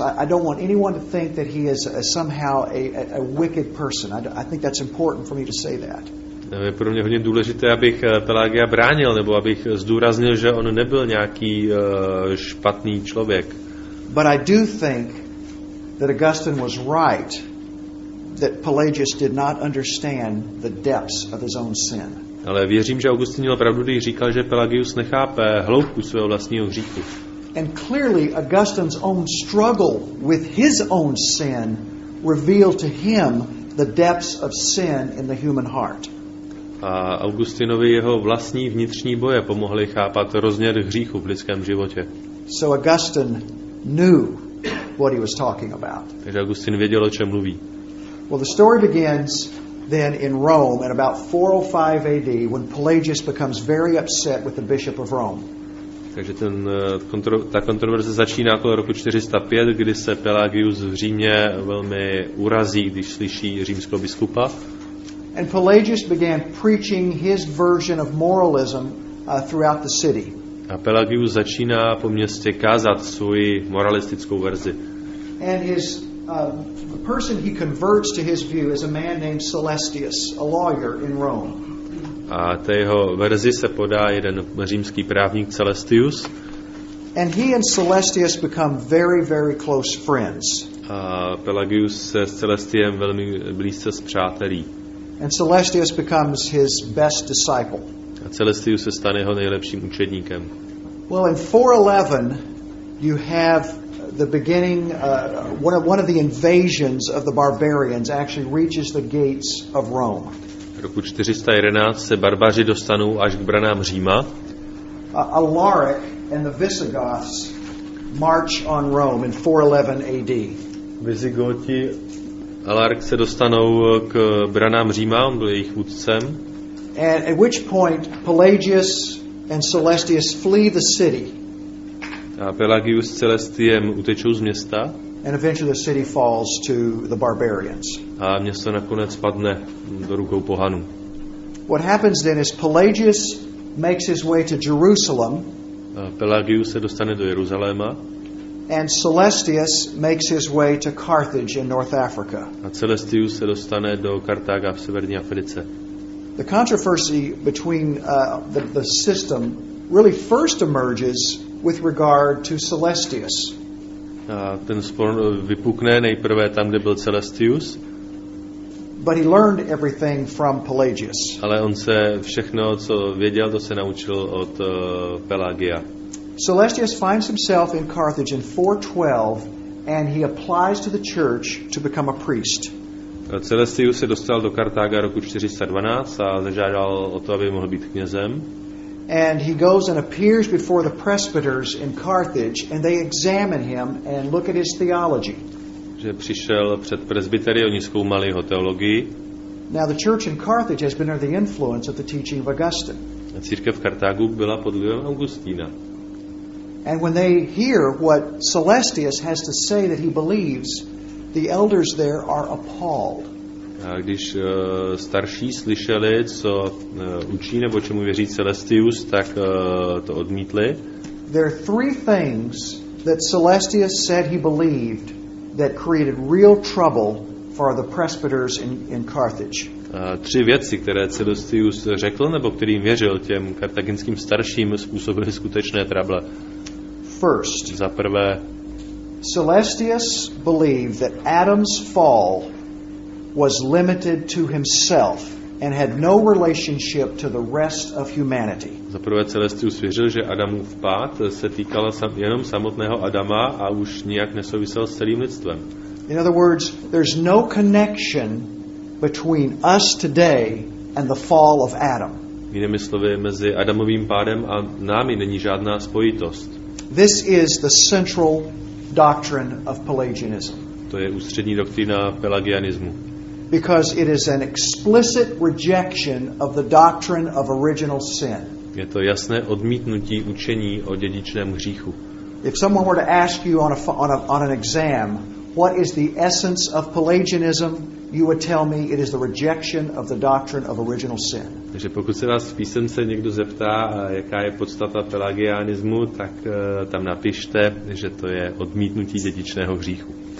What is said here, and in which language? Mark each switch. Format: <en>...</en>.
<en>I don't want anyone to think that he is somehow a wicked person. I think that's important for me to say that.</en> <cs>Je pro mě hodně důležité, abych Pelagia bránil, nebo abych zdůraznil, že on nebyl nějaký špatný člověk.</cs> <en>But I do think that Augustine was right that Pelagius did not understand the depths of his own sin.</en> <cs>Ale věřím, že Augustin měl pravdu, když říkal, že Pelagius nechápe hloubku svého vlastního hříchu.</cs> <en>And clearly Augustine's own struggle with his own sin revealed to him the depths of sin in the human heart.</en> <cs>A Augustinovi jeho vlastní vnitřní boje pomohly chápat rozměr hříchu v lidském životě.</cs> <en>So Augustine knew what he was talking about.</en> <cs>Takže Augustin věděl, o čem mluví.</cs> <en>Well, the story begins then in Rome in about 405 AD when Pelagius becomes very upset with the bishop of Rome.</en> <cs>Takže ta kontroverze začíná kolem roku 405, kdy se Pelagius v Římě velmi urazí, když slyší římského biskupa.</cs> <en>And Pelagius began preaching his version of moralism throughout the city.</en> <cs>A Pelagius začíná po městě kázat svou moralistickou verzi.</cs> <en>And his the person he converts to his view is a man named Celestius, a lawyer in Rome.</en> <cs>A té jeho verzi se podá jeden římský právník Celestius.</cs> <en>And he and Celestius become very, very close friends.</en> <cs>A Pelagius se s Celestiem velmi blízce spřátelí.</cs> <en>And Celestius becomes his best disciple.</en> <cs>A Celestius se stane jeho nejlepším učedníkem.</cs> <en>Well, in 411 you have the beginning one of the invasions of the barbarians actually reaches the gates of Rome.</en> <cs>V roku 411 se barbaři dostanou až k branám Říma.</cs> <en>Alaric and the Visigoths march on Rome in 411 AD.</en> <cs>Visigoti Alaric se dostanou k branám Říma, on byl jejich vůdcem.</cs> <en>And at which point Pelagius and Celestius flee the city.</en> <cs>A Pelagius s Celestiem utečou z města.</cs> <en>And eventually the city falls to the barbarians.</en> <cs>A město nakonec padne do rukou pohanů.</cs> <en>What happens then is Pelagius makes his way to Jerusalem.</en> <cs>A Pelagius se dostane do Jeruzaléma.</cs> <en>And Celestius makes his way to Carthage in North Africa.</en> <cs>A Celestius se dostane do Kartága v severní Africe.</cs> <en>The controversy between the system really first emerges with regard to Celestius.</en> <cs>A ten spor vypukne nejprve tam, kde byl Celestius.</cs> <en>But he learned everything from Pelagius.</en> <cs>Ale on se všechno, co věděl, to se naučil od Pelagia.</cs> <en>Celestius finds himself in Carthage in 412 and he applies to the church to become a priest.</en> <cs>Celestius se dostal do Kartága roku 412 a zažádal o to, aby mohl být knězem.</cs> <en>And he goes and appears before the presbyters in Carthage and they examine him and look at his theology.</en> <cs>Že přišel před presbytery, oni zkoumali jeho teologii.</cs> <en>Now the church in Carthage has been under the influence of the teaching of Augustine.</en> <cs>A církev v Kartágu byla pod vlivem Augustína.</cs> <en>And when they hear what Celestius has to say that he believes, the elders there are appalled.</en> <cs>A když starší slyšeli, co učí nebo čemu věří Celestius, tak to odmítli.</cs> <en>There are three things that Celestius said he believed that created real trouble for the presbyters in Carthage.</en> <cs>Tři věci, které Celestius řekl nebo kterým věřil těm kartaginským starším, způsobily skutečné trable.</cs> <en>First,</en> <cs>za prvé,</cs> <en>Celestius believed that Adam's fall was limited to himself and had no relationship to the rest of humanity.</en> <cs>Za prvé, Celestius věřil, že Adamův pád se týkal jenom samotného Adama a už nijak nesouvisel s celým lidstvem.</cs> <en>In other words, there's no connection between us today and the fall of Adam.</en> <cs>Jinými slovy, mezi Adamovým pádem a námi není žádná spojitost.</cs> <en>This is the central doctrine of Pelagianism.</en> <cs>To je ústřední doktrína pelagianismu.</cs> <en>Because it is an explicit rejection of the doctrine of original sin.</en> <cs>Je to jasné odmítnutí učení o dědičném hříchu.</cs> <en>If someone were to ask you on an exam, what is the essence of Pelagianism? You would tell me it is the rejection of the doctrine of original sin.</en> <cs>Takže pokud se vás v písemce někdo zeptá, jaká je podstata pelagianismu, tak tam napište, že to je odmítnutí dědičného hříchu.</cs>